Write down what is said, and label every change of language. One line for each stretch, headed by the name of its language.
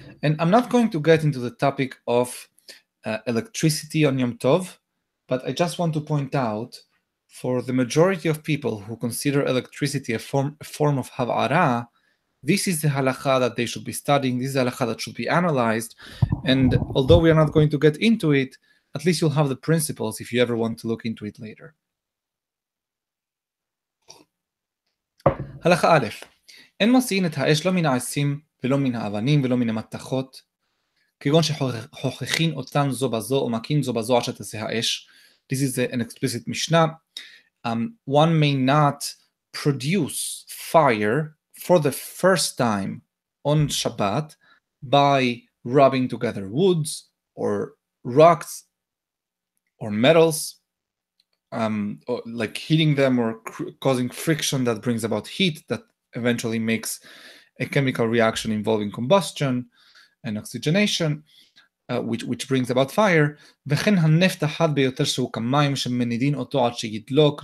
English: And I'm not going to get into the topic of electricity on Yom Tov, but I just want to point out, for the majority of people who consider electricity a form of Hav'ara, this is the halakha that they should be studying, this is the halakha that should be analyzed, and although we are not going to get into it, at least you'll have the principles if you ever want to look into it later. Halakha Aleph.
Hebrew: En mosin et ha'esh lo min ha'asim ve'lo min ha'avanim ve'lo min ha'matachot, כגון שחוכחין אותן זו בזו או מכין זו בזו עד שתעשה האש.
English: This is an explicit Mishnah. One may not produce fire for the first time on Shabbat by rubbing together woods or rocks or metals, or like heating them or causing friction that brings about heat that eventually makes a chemical reaction involving combustion and oxygenation, which brings about fire.
Hebrew: וכן הנפט אחד ביותר שהוא כמים שמנידין אותו עד שידלוק.